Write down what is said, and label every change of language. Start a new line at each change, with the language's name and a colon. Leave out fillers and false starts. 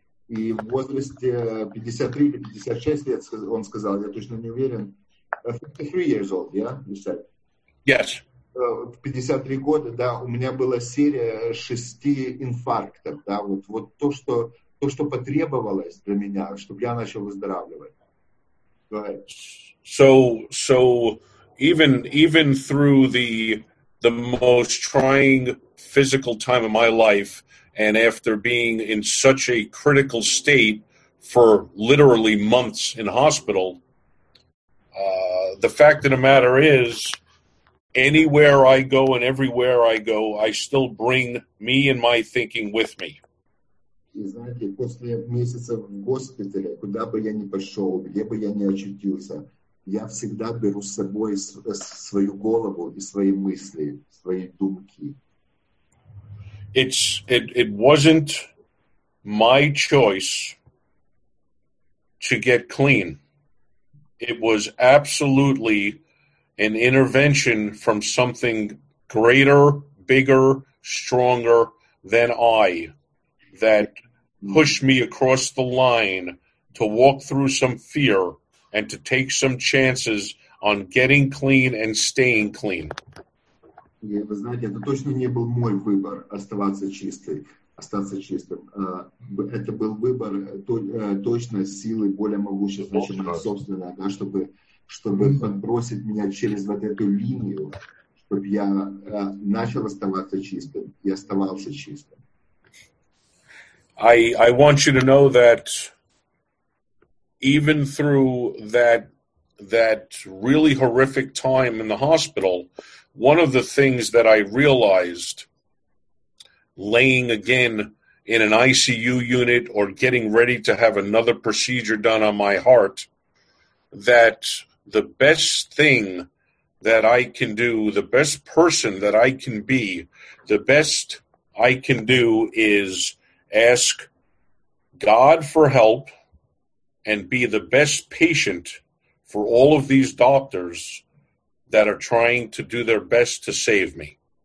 Russian: И в возрасте 53 или 56 лет, он сказал, я точно не уверен,
English: 53 years old, yeah, you said? Yes.
Russian: В 53 года, да, у меня была серия 6 инфарктов, да, вот то, что потребовалось для меня, чтобы я начал выздоравливать.
English: Go ahead. So even through the most trying physical time of my life, and after being in such a critical state for literally months in hospital, the fact of the matter is, anywhere I go and everywhere I go, I still bring me and my thinking with me.
Russian: И знаете, после месяца в госпитале, куда бы я ни пошел, где бы я ни очутился, я всегда беру с собой свою голову и свои мысли, свои думки.
English: It wasn't my choice to get clean. It was absolutely an intervention from something greater, bigger, stronger than I that pushed me across the line to walk through some fear and to take some chances on getting clean and staying clean.
Russian: Вы знаете, это точно не был мой выбор остаться чистым. Это был выбор точно силы более могущественной, чем моя собственная, да, чтобы подбросить меня через вот эту линию, чтобы я начал оставаться чистым и оставался чистым.
English: I want you to know that even through that really horrific time in the hospital, one of the things that I realized laying again in an ICU unit or getting ready to have another procedure done on my heart, that the best thing that I can do, the best person that I can be, the best I can do is ask God for help and be the best patient for all of these doctors that are trying to do their best to save me.